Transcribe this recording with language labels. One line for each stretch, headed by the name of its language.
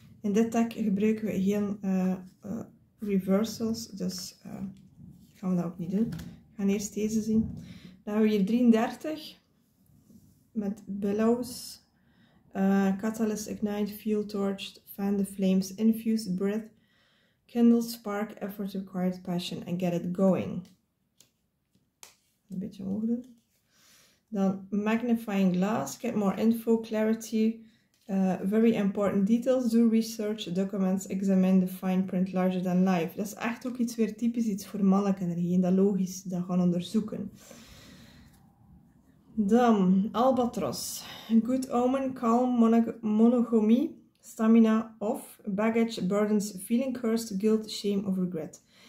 Dutch: In dit deck gebruiken we geen reversals, dus gaan we dat ook niet doen. We gaan eerst deze zien. Dan hebben we hier 33 met billows.
English: Catalyst, ignite, fuel, torch, fan the flames, infuse, breath, kindle, spark, effort required, passion, and get it going.
Dutch: Een beetje hoger. Dan
English: magnifying glass, get more info, clarity, very important details, do research, documents, examine the fine print larger than life.
Dutch: Dat is echt ook iets weer typisch iets voor mannelijke energie, en dat logisch, dat gaan onderzoeken. Dan,
English: albatros, good omen, calm, monogamy, stamina, off, baggage, burdens, feeling cursed, guilt, shame of regret.